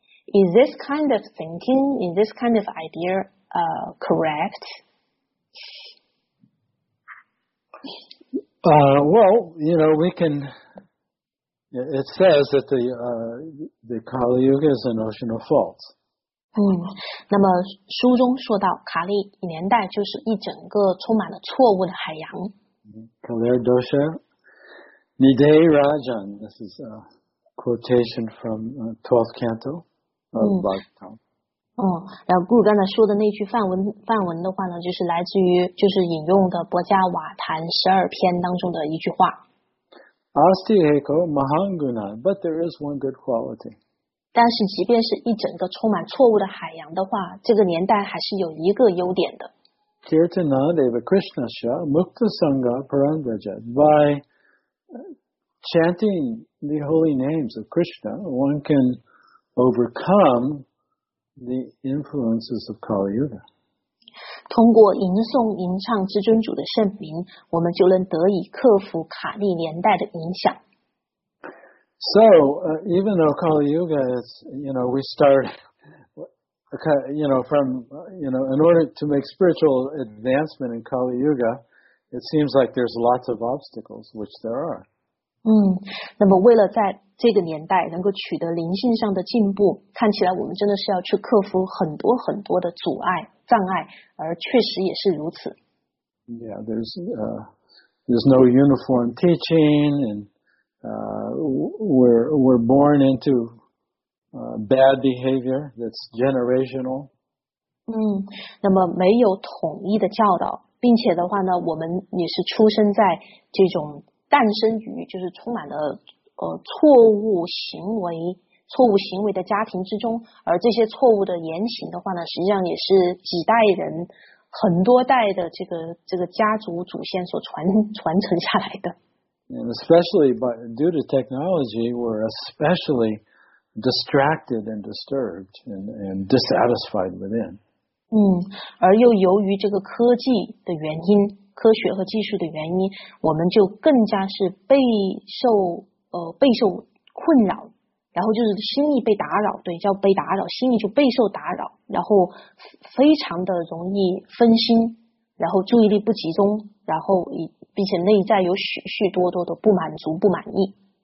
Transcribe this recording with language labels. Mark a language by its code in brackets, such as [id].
[en] Is this kind of thinking, is this kind of idea,correct? Well, you know, we can. It says that the Kali Yuga is an ocean of faults. [zh] 那么书中说到卡利年代就是一整个充满了错误的海洋。 [sa] Kali dosha nidai rajan. [en] This is a quotation from 12th canto of Bhagavatam. [zh] 然后 Guru 刚才说的那句梵文的话呢，就是来自于就是引用的《薄伽瓦坛十二篇》当中的一句话。 [sa] Asti heko mahanguna, [en] but there is one good quality. [zh] 但是即便是一整个充满错误的海洋的话，这个年代还是有一个优点的。 [sa] Kirtana Deva Krishnasya Mukta Sangha Parandraja. [en] By chanting the holy names of Krishna, one can overcome the influences of Kali Yuga. [zh] 通过吟诵吟唱至尊主的圣名，我们就能得以克服卡利年代的影响。 [en] So, even though Kali Yuga is, you know, we start, you know, from, you know, in order to make spiritual advancement in Kali Yuga, it seems like there's lots of obstacles, which there are. [zh] 那么为了在这个年代能够取得灵性上的进步，看起来我们真的是要去克服很多很多的阻碍、障碍，而确实也是如此。 [en] Yeah, there's no uniform teaching and we're born into bad behavior that's generational. [zh] 那么没有统一的教导，并且的话呢，我们也是出生在这种诞生于就是充满了错误行为的家庭之中，而这些错误的言行的话呢，实际上也是几代人、很多代的这个家族祖先所传承下来的。 [en] And especially by, due to technology, we're especially distracted and disturbed and dissatisfied within. [zh] 而又由于这个科技的原因，科学和技术的原因，我们就更加是备受困扰，然后就是心意被打扰，对，叫被打扰，心意就备受打扰，然后非常的容易分心，然后注意力不集中，然后并且内在有许许多多的不满足、不满意。